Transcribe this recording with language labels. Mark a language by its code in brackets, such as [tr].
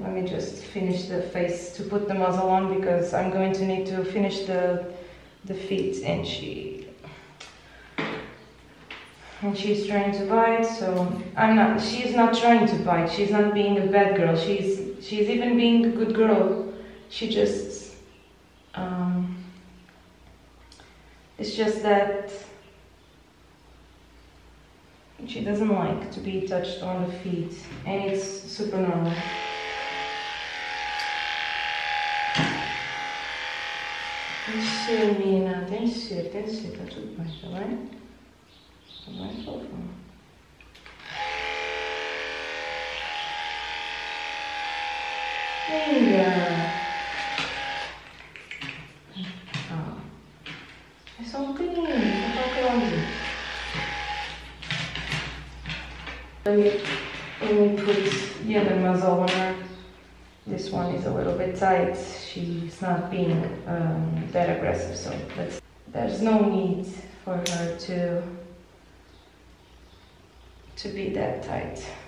[en] Let me just finish the face to put the muzzle on because I'm going to need to finish the feet, and she's trying to bite, so she's not trying to bite, she's not being a bad girl, she's even being a good girl. She just it's just that she doesn't like to be touched on the feet, and it's super normal. [pt] Deixa, menina, tem que ser, tá tudo bem, tá bem? Tá bem, fofa. Linda! Ah. É só um bocadinho, tá pra calma. [en] Let me put the other muzzle on her. This one is a little bit tight. She's not being that aggressive, so there's no need for her to be that tight.